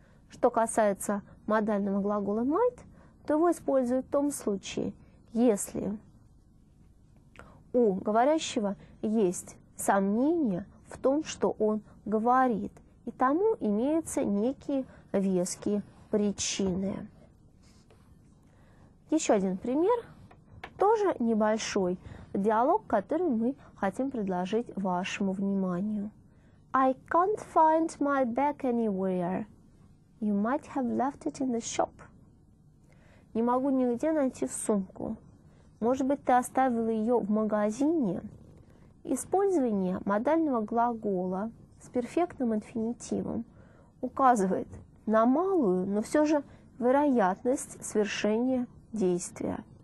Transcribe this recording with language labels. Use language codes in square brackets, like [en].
[ru] Что касается модального глагола might, то его используют в том случае, если у говорящего есть сомнения в том, что он говорит, и тому имеются некие веские причины. Еще один пример, тоже небольшой диалог, который мы хотим предложить вашему вниманию. [en] I can't find my bag anywhere. You might have left it in the shop. [ru] Не могу нигде найти сумку. Может быть, ты оставил ее в магазине? Использование модального глагола с перфектным инфинитивом указывает на малую, но все же вероятность свершения действия.